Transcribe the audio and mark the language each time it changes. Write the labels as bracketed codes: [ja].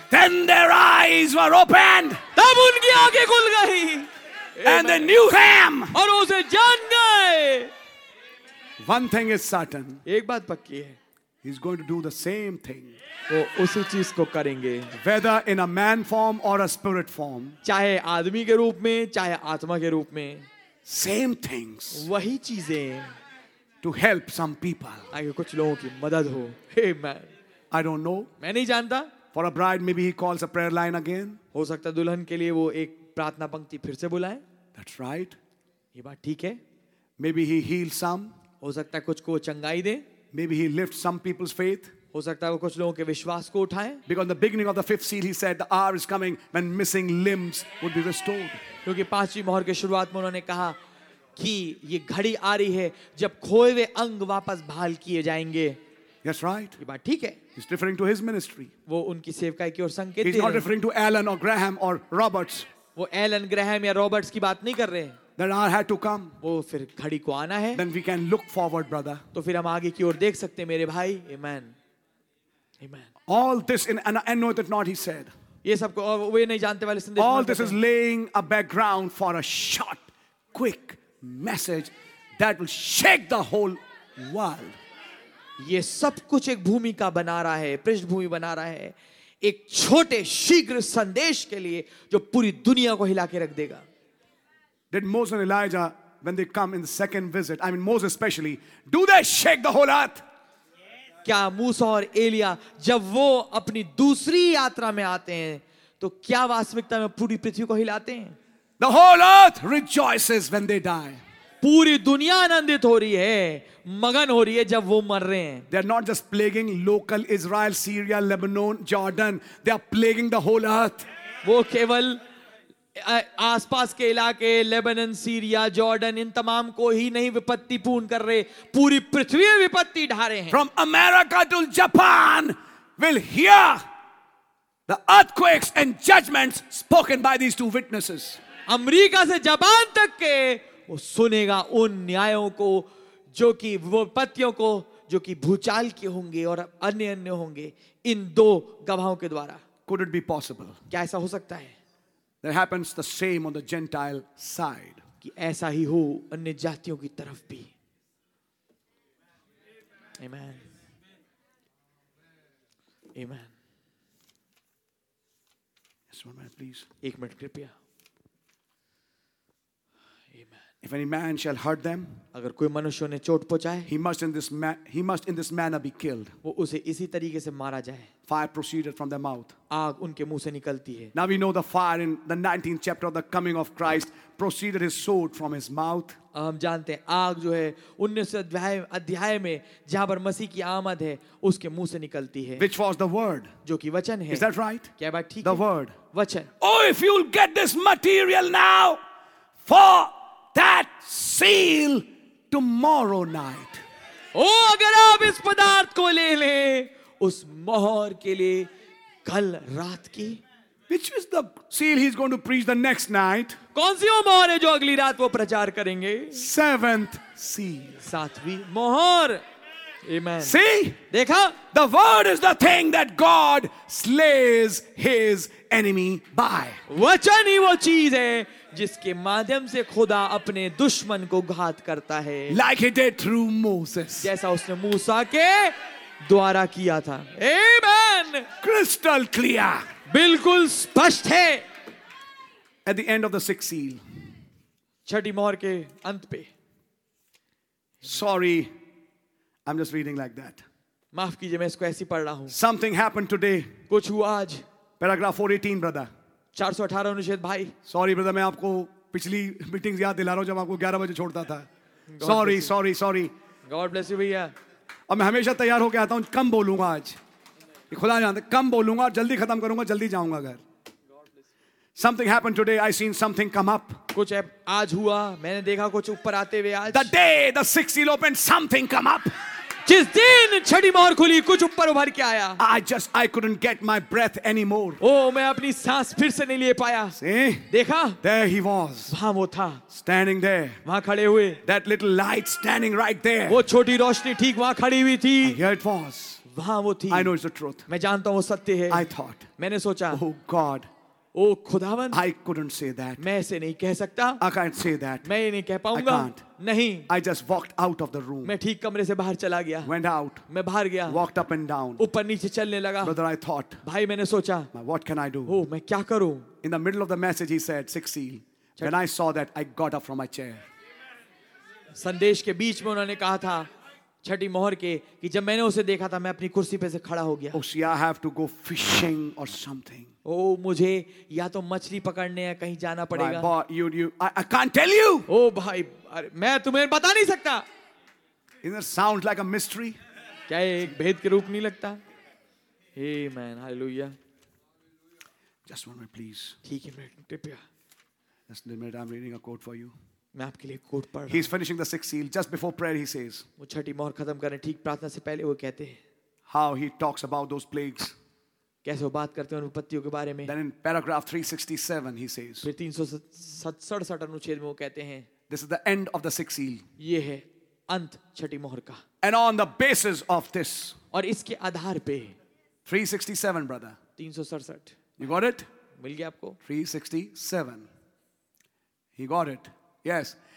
[en] Then their eyes were opened. [hi] तब उनकी आंखें खुल गई. [en] And they knew him. [hi] और उसे जान गए. [en] One thing is certain. [hi] एक बात पक्की है. [en] He's going to do the same thing. [hi] वो उसी चीज को करेंगे. [en] Whether in a man form or a spirit form. [hi] चाहे आदमी के रूप में चाहे आत्मा के रूप में. [en] Same things. [hi] वही चीजें. [en] To help some people. [hi] आगे कुछ लोगों की मदद हो. Amen. [en] I don't know. [hi] मैं नहीं जानता. [en] For a bride, maybe he calls a prayer line again. [hi] हो सकता है दुल्हन के लिए वो एक प्रार्थना पंक्ति फिर से बुलाए. [en] That's right. [hi] ये बात ठीक है. [en] Maybe he heals some. [hi] हो सकता है कुछ को चंगाई दे. [en] Maybe he lifts some people's faith. [hi] हो सकता है वो कुछ लोगों के विश्वास को उठाए. [en] Because in the beginning of the fifth seal, he said the hour is coming when missing limbs would be restored. [hi] क्योंकि पांचवी मोहर के शुरुआत में उन्होंने कहा कि ये घड़ी आ रही है जब खोए हुए अंग वापस बहाल किए जाएंगे. [en] That's right. [hi] ये बात ठीक है. [en] He's referring to his ministry. [hi] वो उनकी सेवकाई की ओर संकेत. [en] He's not referring to Alan or Graham or Roberts. [hi] वो एलन ग्राहम या रॉबर्ट्स की बात नहीं कर रहे. [en] That hour had to come. [hi] वो फिर घड़ी को आना है. [en] Then we can look forward, brother. [hi] तो फिर हम आगे की ओर देख सकते मेरे भाई. Amen. Amen. [en] All this in and know that not, he said. [hi] ये सब को वे नहीं जानते वाले संदेश. [en] All this is laying a background for a short, quick. Message that will shake the whole world. [hi] ये सब कुछ एक भूमिका बना रहा है, पृष्ठभूमि बना रहा है एक छोटे शीघ्र संदेश के लिए जो पूरी दुनिया को हिला के रख देगा. [en] Did Moses and Elijah, when they come in the second visit, I mean Moses especially, do they shake the whole earth? [hi] क्या मूसा और एलिया जब वो अपनी दूसरी यात्रा में आते हैं तो क्या वास्तविकता में पूरी पृथ्वी को हिलाते हैं? [en] The whole earth rejoices when they die. [hi] पूरी दुनिया आनंदित हो रही है, मगन हो रही है जब वो मर रहे हैं. [en] They are not just plaguing local Israel, Syria, Lebanon, Jordan. They are plaguing the whole earth. [hi] वो केवल आसपास के इलाके लेबनन सीरिया जॉर्डन इन तमाम को ही नहीं विपत्ति पूर्ण कर रहे, पूरी पृथ्वी विपत्ति ढा रहे हैं. [en] From America to Japan will hear the earthquakes and judgments spoken by these two witnesses. [hi] America से जापान तक के वो सुनेगा उन न्यायों को जो कि विपत्तियों को जो कि भूचाल के होंगे और अन्य अन्य होंगे इन दो गवाहों के द्वारा. [en] Could it be possible? [hi] क्या ऐसा हो सकता है? [en] That happens the same on the Gentile side. [hi] कि ऐसा ही हो अन्य जातियों की तरफ भी. Amen. Amen. [en] Just one minute, please. [hi] एक मिनट कृपया. [en] If any man shall hurt them, [hi] अगर कोई मनुष्य ने चोट पहुंचाए, [en] he must in this manner be killed. [hi] वो उसे इसी तरीके से मारा जाए. [en] Fire proceeded from their mouth. [hi] आग उनके मुंह से निकलती है. [en] Now we know the fire in the 19th chapter of the coming of Christ proceeded his sword from his mouth. [hi] हम जानते हैं आग जो है 19वें अध्याय में जहां पर मसीह की आमद है उसके मुंह से निकलती है. [en] Which was the word? [hi] जो कि वचन है. [en] Is that right? [hi] क्या बात ठीक [en] है? The word. [hi] वचन. [en] Oh, if you'll get this material now for that seal tomorrow night. [hi] Oh, अगर आप इस पदार्थ को ले लें उस मोहर के लिए कल रात की. [en] Which is the seal he's going to preach the next night? [hi] कौन सी वो मोहर है जो अगली रात वो प्रचार करेंगे? [en] Seventh seal. [hi] सातवीं मोहर. Amen. [en] See? [hi] देखा? [en] The word is the thing that God slays his enemy by. [hi] वचन ही वो चीज है जिसके माध्यम से खुदा अपने दुश्मन को घात करता है. [en] Like he did through Moses. [hi] जैसा उसने मूसा के द्वारा किया था. Amen. [en] Crystal clear. [hi] बिल्कुल स्पष्ट है. [en] At the end of the sixth seal. [hi] छठी मोहर के अंत पे. [en] Sorry. I'm just reading like that. [hi] माफ कीजिए मैं इसको ऐसी पढ़ रहा हूँ. [en] Something happened today. [hi] कुछ हुआ आज. [en] Paragraph 418, brother. [hi] 418 अनुच्छेद भाई. [en] Sorry, brother. [hi] मैं आपको पिछली मीटिंग याद दिला रहा हूँ जब आपको 11 बजे छोड़ता था. [en] Sorry. God bless you, भैया. [hi] अब मैं हमेशा तैयार होकर आता हूँ. कम बोलूंगा आज. खुदा जानते कम बोलूंगा और जल्दी खत्म करूंगा. जल्दी जाऊंगा घर. [en] Something happened today. I seen something come up. [hi] कुछ आज हुआ. मैंने देखा कुछ ऊपर आते हुए आज. [en] The day the sixth seal opened, something come up. [hi] जिस दिन छठी मोहर खुली कुछ ऊपर उभर के आया. [en] I couldn't get my breath anymore. [hi] Oh, मैं अपनी सांस फिर से नहीं ले पाया. [en] See? [hi] देखा? [en] There he was. [hi] वहाँ वो था. [en] Standing there. [hi] वहाँ खड़े हुए. [en] That little light standing right there. [hi] वो छोटी रोशनी ठीक वहाँ खड़ी हुई थी. [en] Here it was. [hi] वहाँ वो थी. [en] I know it's the truth. [hi] मैं जानता हूँ वो सत्य है. [en] I thought. [hi] मैंने सोचा. [en] Oh God. [hi] ओ खुदावन, [en] I couldn't say that. [hi] मैं ऐसे नहीं कह सकता. [en] I can't say that. [hi] मैं ये नहीं कह पाऊंगा. [en] I can't. [hi] नहीं. [en] I just walked out of the room. [hi] मैं ठीक कमरे से बाहर चला गया. [en] Went out. [hi] मैं बाहर गया. [en] Walked up and down. [hi] ऊपर नीचे चलने लगा. [en] Brother, I thought. [hi] भाई मैंने सोचा. [en] What can I do? [hi] ओ मैं क्या करूं? [en] In the middle of the message, he said, six seal. When I saw that, I got up from my chair. [hi] संदेश के बीच में उन्होंने कहा था छठी मोहर के कि जब मैंने उसे देखा था मैं अपनी कुर्सी पे से खड़ा हो गया. [en] Oh, see, I have to go fishing or something. [hi] Oh, मुझे या तो मछली पकड़ने या कहीं जाना पड़ेगा. [en] I can't tell you. [hi] Oh, भाई, मैं तुम्हें बता नहीं सकता. [en] Isn't it sounds like a mystery? [hi] क्या एक भेद के रूप नहीं लगता? Amen, hallelujah. [en] Just one minute, please. [hi] ठीक है, मिनट कृपया. [en] Just a minute, I'm reading a quote for you. [hi] मैं आपके लिए कोट पढ़ रहा [en] हूं. He's finishing the sixth seal just before prayer, he says. [hi] वो छठी मोहर खत्म करने ठीक प्रार्थना से पहले वो कहते हैं. [en] How he talks about those plagues. [hi] कैसे वो बात करते हैं उन विपत्तियों के बारे में. [en] Then in paragraph 367 he says. [hi] फिर 367 अनुच्छेद में वो कहते हैं. [en] This is the end of the sixth seal. [hi] ये है अंत छठी मोहर का. [en] And on the basis of this. [hi] और इसके आधार पे. [en] 367 brother. 367. You got it? [hi] मिल गया आपको? [en] 367. He got it. Yes.